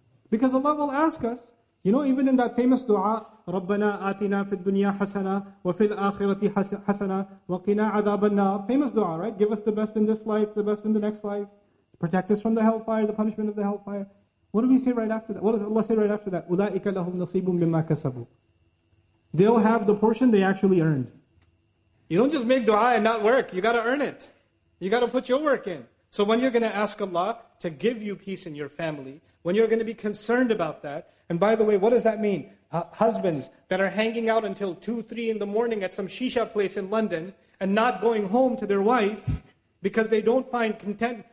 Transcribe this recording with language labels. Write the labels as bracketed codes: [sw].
[en] Because Allah will ask us, you know, even in that famous dua, [ar] رَبَّنَا آتِنَا فِي الدُّنْيَا حَسَنًا وَفِي الْآخِرَةِ حَسَنًا وَقِنَا عَذَابَ النَّارِ. [en] Famous dua, right? Give us the best in this life, the best in the next life. Protect us from the hellfire, the punishment of the hellfire. What do we say right after that? What does Allah say right after that? [ar] أُولَٰئِكَ لَهُمْ نَصِيبٌ مِمَّا كَسَبُوا. [en] They'll have the portion they actually earned. You don't just make dua and not work. You got to earn it. You got to put your work in. So when you're going to ask Allah to give you peace in your family, when you're going to be concerned about that, and by the way, what does that mean? Husbands that are hanging out until 2, 3 in the morning at some shisha place in London and not going home to their wife because they don't find content.